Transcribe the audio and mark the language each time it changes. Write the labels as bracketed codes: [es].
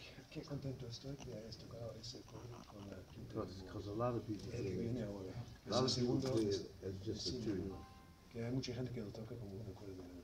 [es] Qué contento estoy que hayas tocado ese cover con la quinta. [en] Because a lot of people [es] el viene ahora. [en] A lot of people play it as just a tune. [es] Que hay mucha gente que lo toca como un acorde.